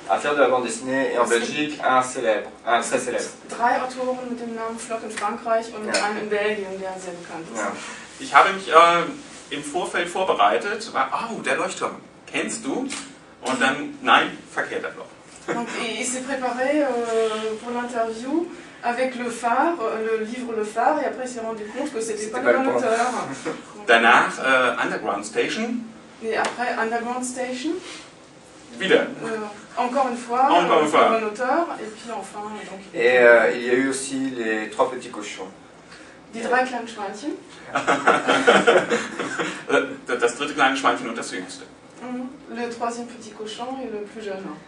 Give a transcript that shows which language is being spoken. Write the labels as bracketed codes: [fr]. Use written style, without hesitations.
[fr] À faire de la bande dessinée, et en Belgique, un célèbre, un très célèbre. [de] Drei Autoren mit dem Namen Flock in Frankreich und ja. Einen in Belgien, der sehr bekannt ist. Ja. Ich habe mich im Vorfeld vorbereitet, war, oh, Der Leuchtturm, kennst du? Und dann, nein, verkehrter Flock. [fr] Donc, il s'est préparé pour l'interview avec Le Phare, le livre Le Phare, et après il s'est rendu compte que c'était pas le bon auteur. [de] Danach, Underground Station. [fr] Et après, Underground Station. [de] Wieder. [fr] Encore une fois, encore une fois. Le bon auteur, et puis enfin. Donc, et il y a eu aussi Les Trois Petits Cochons. [de] Die drei kleinen Schweinchen. Das dritte kleine Schweinchen und das jüngste. [fr] Le troisième petit cochon et le plus jeune.